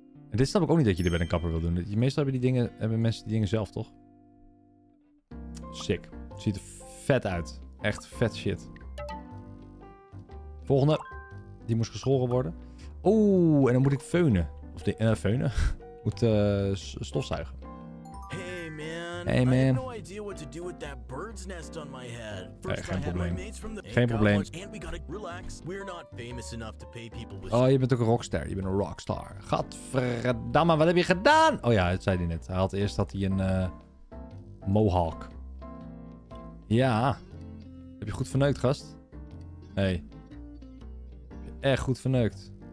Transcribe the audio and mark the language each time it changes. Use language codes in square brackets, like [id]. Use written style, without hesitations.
[nl] En dit snap ik ook niet dat je dit bij een kapper wil doen. Meestal hebben mensen die dingen zelf, toch? Sick. Ziet er vet uit. Echt vet shit. Volgende. Die moest geschoren worden. Oeh, en dan moet ik feunen. Of de feunen. Moet stofzuigen. [en] Hey man. I have no idea what to do with that bird's nest on my head. [nl] Geen probleem. [en] And we gotta relax. We're not famous enough to pay people with... [nl] Oh, je bent ook een rockstar. Je bent een rockstar. Gadverdamme, wat heb je gedaan? Oh ja, dat zei hij net. Hij had eerst dat hij een mohawk. Ja. Heb je goed verneukt, gast? Hey. Heb je echt goed verneukt.